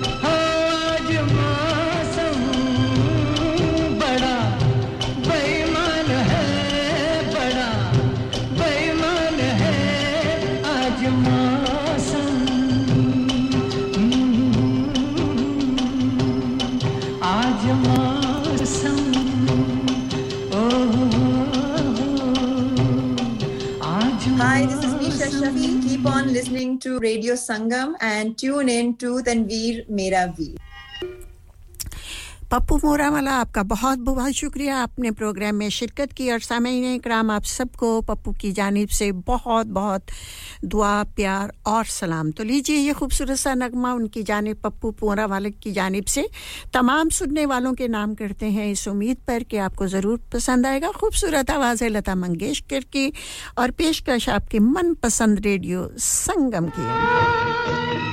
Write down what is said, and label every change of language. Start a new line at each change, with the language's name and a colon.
Hindi: आज मौसम बड़ा बेईमान है बड़ा बेईमान है आज मौसम आज मौसम ओ आज
English: hi this is me Shashi keep on listening to Radio Sangam and tune in to Tanveer Mera Veer
Hindi: Pappu मोरा वाला आपका बहुत बहुत शुक्रिया आपने प्रोग्राम में शिरकत की और सामईन इकराम आप सबको पप्पू की जानिब से बहुत बहुत दुआ प्यार और सलाम तो लीजिए ये खूबसूरत सा नगमा उनकी जानिब पप्पू मोरा वाले की जानिब से तमाम सुनने वालों के नाम करते हैं इस उम्मीद पर कि आपको ज़रूर पसंद आएगा खूबसूरत आवाज़ है लता मंगेशकर की और पेशकश आपके मनपसंद रेडियो संगम की